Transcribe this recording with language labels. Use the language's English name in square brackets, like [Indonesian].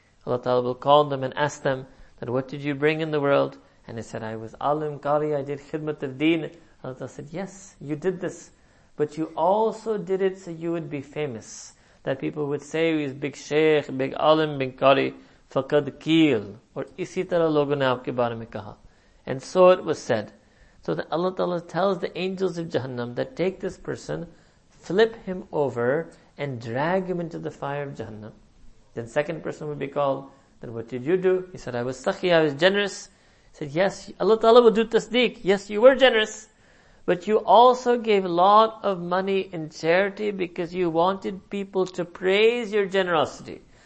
[English] Allah Ta'ala will call them and ask them that, what did you bring in the world? And they said, I was alim, qari, I did khidmat of deen. Allah Ta'ala said, yes, you did this, but you also did it so you would be famous. That people would say, he's big sheikh, big alim, big qari, [Arabic] faqad qeel. [Urdu] اور اسی طرح لوگوں نے آپ کے بارے میں کہا. [English] And so it was said. So that Allah Ta'ala tells the angels of Jahannam that take this person, flip him over, and drag him into the fire of Jahannam. Then second person would be called. Then what did you do? He said, I was sakhi, I was generous. He said, yes, Allah Ta'ala will do tasdeek. Yes, you were generous. But you also gave a lot of money in charity because you wanted people to praise your generosity.